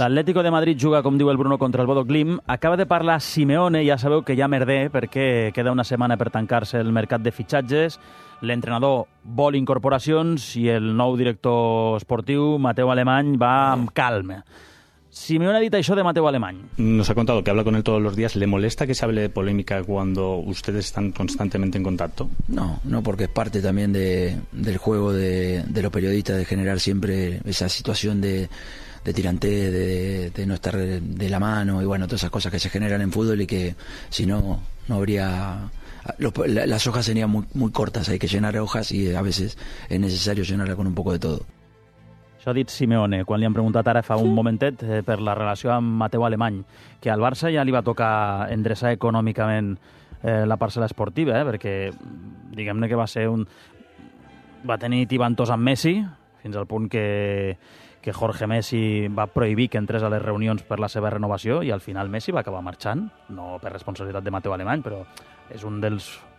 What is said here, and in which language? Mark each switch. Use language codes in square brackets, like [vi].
[ca] L'Atlético de Madrid juga, com diu el Bruno, contra el Bodø/Glimt. Acaba de parlar Simeone, ja sabeu que ja merder, perquè queda una setmana per tancar-se el mercat de fitxatges. L'entrenador vol incorporacions i el nou director esportiu, Mateu Alemany, va amb calma. Simeone ha dit això de Mateu Alemany. [es] Nos ha contado que habla con él todos los días. ¿Le molesta que se hable de polémica cuando ustedes están constantemente en contacto? No, porque es parte también del juego de los periodistas, de generar siempre esa situación de tirantes, de no estar de la mano, y bueno, todas esas cosas que se generan en fútbol y que si no, no habría... Las hojas serían muy, muy cortas, hay que llenar hojas y a veces es necesario llenarla con un poco de todo. [ca] Això ha dit Simeone quan li han preguntat ara fa un momentet per la relació amb Mateu Alemany, que al Barça ja li va tocar endreçar econòmicament la parcel·la esportiva, perquè diguem-ne que va ser un... Va tenir tibantos amb Messi, fins al punt que Jorge Messi va prohibir que entrés a les reunions per la seva renovació, i al final Messi va acabar marxant, no per responsabilitat de Mateu Alemany, però és un dels...